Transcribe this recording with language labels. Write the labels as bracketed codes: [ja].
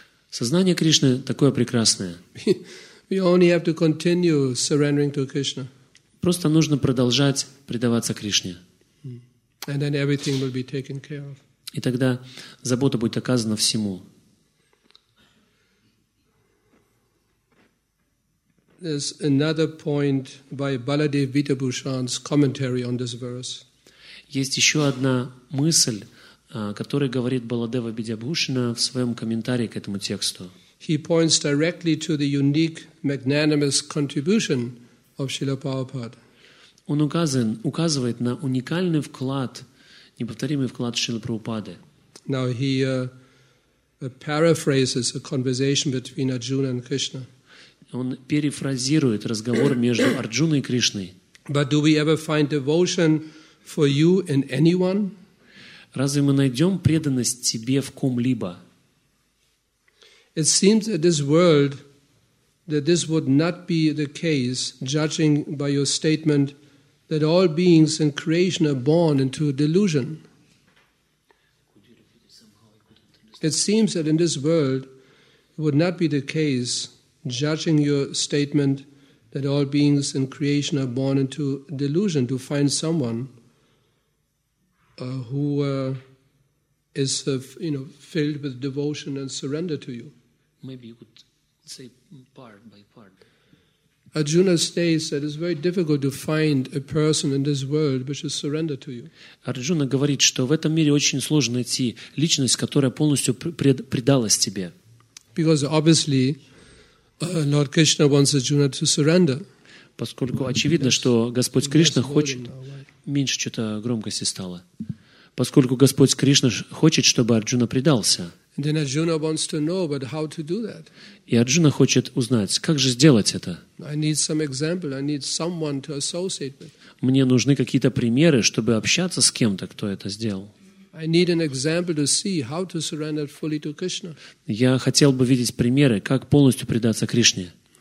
[ru] Сознание Кришны такое прекрасное. [en] We only have to continue surrendering to Krishna. [ru] Просто нужно продолжать предаваться Кришне. [en] And then everything will be taken care of. [ru] И тогда забота будет оказана всему. [en] There's another point by Baladev Vidyabhushan's commentary on this verse. [ru] Есть еще одна мысль, которую говорит Баладева Видьябхушана в своем комментарии к этому тексту. [en] He points directly to the unique magnanimous contribution of Srila Prabhupada. [ru] Он указывает на уникальный вклад, неповторимый вклад Шрилы Прабхупады. [en] Now he paraphrases a conversation between Arjuna and Krishna. [ru] Он перефразирует разговор между Арджуной и Кришной. [en] But do we ever find devotion for you in anyone? [ru] Разве мы найдем преданность тебе в ком-либо? [en] It seems that this world, that this would not be the case, judging by your statement that all beings in creation are born into a delusion. It seems that in this world it would not be the case, judging your statement that all beings in creation are born into delusion, to find someone who is filled with devotion and surrender to you. Maybe you could say part by part. Arjuna states that it's very difficult to find a person in this world which is surrendered to you. [ru] Арджуна говорит, что в этом мире очень сложно найти личность, которая полностью предалась тебе. [en] Because obviously, Lord Krishna wants Arjuna to surrender. [ru] Поскольку очевидно, что Господь Кришна хочет. Меньше что-то громкости стало. Поскольку Господь Кришна хочет, чтобы Арджуна предался. [en] Then Arjuna wants to know, but how to do that? [ru] И Арджуна хочет узнать, как же сделать это? [en] I need some example. I need someone to associate with. [ru] Мне нужны какие-то примеры, чтобы общаться с кем-то, кто это сделал. [en] I need an example to see how to surrender fully to Krishna. [ru] Я хотел бы видеть примеры, как полностью предаться Кришне.